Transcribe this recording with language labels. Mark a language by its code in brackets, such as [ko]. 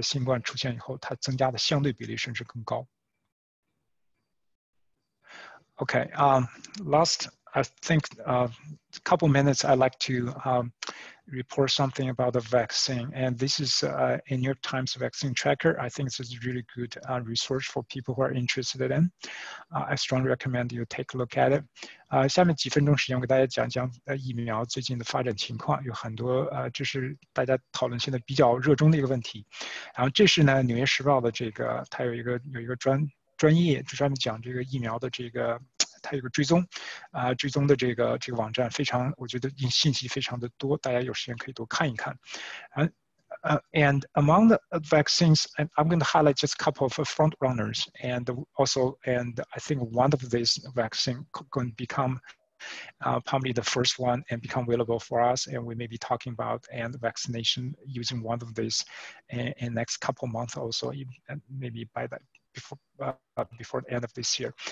[zh] 然后这个slide就是说，这个抑郁症状的这个出现呢，也是在各种各样的严重程度这个水平都有，甚至呢就是说越严重的抑郁症状，实际上在新冠出现以后，它增加的相对比例甚至更高。 [en] Okay, last, I think a couple minutes I'd like to report something about the vaccine. And this is a New York Times vaccine tracker. I think this is really good resource for people who are interested in. I strongly recommend you take a look at it. [zh] 下面几分钟时间我给大家讲讲疫苗最近的发展情况，有很多就是大家讨论现在比较热衷的一个问题。然后这是呢《纽约时报》的这个，它有一个专业就专门讲这个疫苗的这个，它有个追踪，追踪的这个网站非常，我觉得信息非常的多，大家有时间可以多看一看。 [en] And among the vaccines, and I'm going to highlight just a couple of front runners, and also, and I think one of these vaccines going to become probably the first one and become available for us, and we may be talking about and vaccination using one of these in next couple months also, maybe by that. Before the end of this year.